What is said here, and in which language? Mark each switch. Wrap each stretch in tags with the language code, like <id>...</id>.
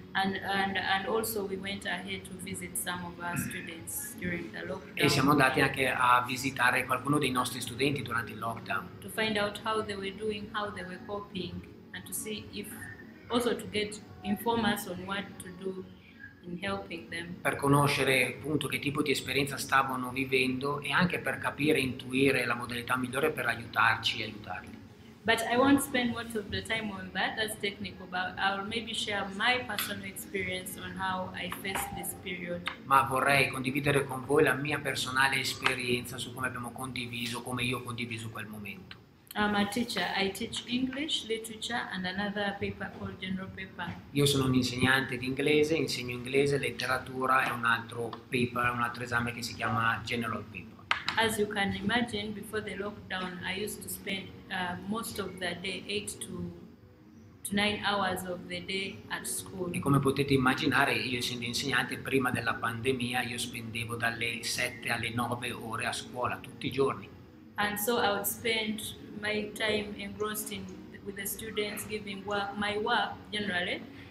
<en>And also we went ahead to visit some of our students during the lockdown.</en> <it>E siamo andati anche a visitare qualcuno dei nostri studenti durante il lockdown.</it> <en>To find out how they were doing, how they were coping, and to see if also to get informers on what to do in helping them.</en> <it>Per conoscere appunto che tipo di esperienza stavano vivendo e anche per capire e intuire la modalità migliore per aiutarci e aiutarli.</it> <en>But I won't spend much of the time on that, that's technical, but I'll maybe share my personal experience on how I faced this period.</en> <it>Ma vorrei condividere con voi la mia personale esperienza su come abbiamo condiviso, come io ho condiviso quel momento.</it> <en>I'm a teacher. I teach English, literature and another paper called general paper.</en> <it>Io sono un insegnante di inglese, insegno inglese, letteratura e un altro paper, un altro esame che si chiama general paper.</it> <en>As you can imagine, before the lockdown, I used to spend most of the day, 8 to 9 hours of the day at school.</en> <it>E come potete immaginare, io essendo insegnante, prima della pandemia, io spendevo dalle 7 alle 9 ore a scuola, tutti i giorni.</it> <en>And so I would spend my time engrossed in with the students, giving work, my work generally.</en>